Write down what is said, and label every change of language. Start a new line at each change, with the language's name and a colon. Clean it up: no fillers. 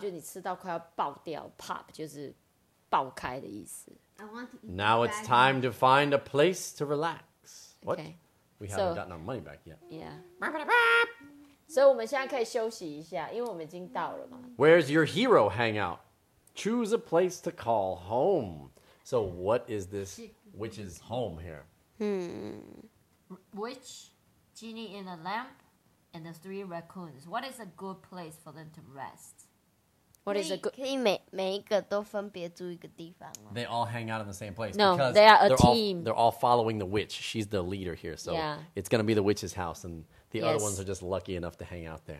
Chinese: 就你吃到快要爆掉 ，pop 就是爆开的意思。
English: Now it's time to find a place to relax. What? We haven't gotten our money back yet. Yeah.
Chinese: So 我们现在可以休息一下，因为我们已经到了嘛。
English: Where's your hero hangout? Choose a place to call home. So what is this witch's home here? Witch, genie in a lamp, and the three raccoons. What is a good place for them to rest? What is a good?
Chinese: 可以每一个都分别住一个地方吗
English: They all hang out in the same place. No, they are a team. They're all following the witch. She's the leader here, so it's going to be the witch's house, and the other ones are just lucky enough to hang out there.